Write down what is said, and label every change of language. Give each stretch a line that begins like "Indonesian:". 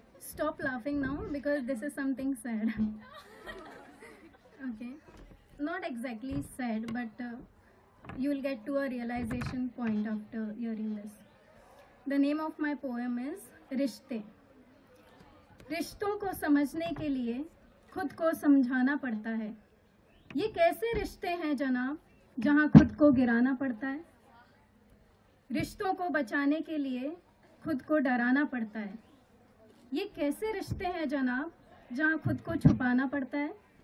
English: Stop laughing now because this is something sad. Okay, not exactly sad but you will get to a realisation point after hearing this. The name of my poem is रिश्ते.
Hindi: रिश्तों को समझने के लिए खुद को समझाना पड़ता है. ये कैसे रिश्ते हैं जनाब जहां खुद को गिराना पड़ता है. रिश्तों को बचाने के लिए खुद को डराना पड़ता है. ये कैसे रिश्ते हैं जनाब जहां खुद को छुपाना पड़ता है.